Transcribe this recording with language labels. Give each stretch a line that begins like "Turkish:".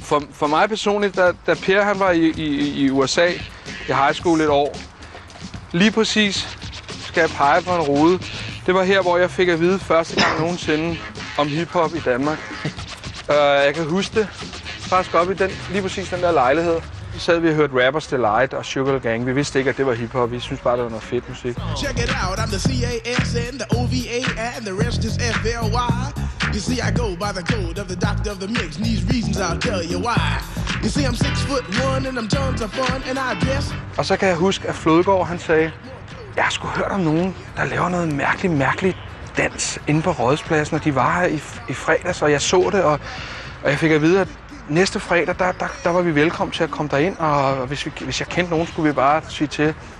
Danish: For mig personligt, da Per han var i USA i high school et år, lige præcis skal jeg pege på en rude. Det var her, hvor jeg fik at vide første gang nogensinde om hiphop i Danmark. Jeg kan huske det faktisk op i den, lige præcis den der lejlighed. Så sad vi og hørte Rapper's Delight og Sugar Gang. Vi vidste ikke, at det var hiphop. Vi synes bare, det var noget fedt musik.
English: Check it out, I'm the CASN, the OVA, and the rest is FLY. You see, I go by the code of the doctor of the mix, and these reasons I'll tell you why. You see, I'm 6'1", and I'm tons of fun, and I guess...
Danish: Og så kan jeg huske, at Flodgaard, han sagde, jeg har sgu hørt om nogen, der laver noget mærkeligt dans inde på Rådhuspladsen, og de var her i fredags, og jeg så det, og jeg fik at vide, at næste fredag, der var vi velkommen til at komme derind, og hvis jeg kendte nogen, skulle vi bare sige til.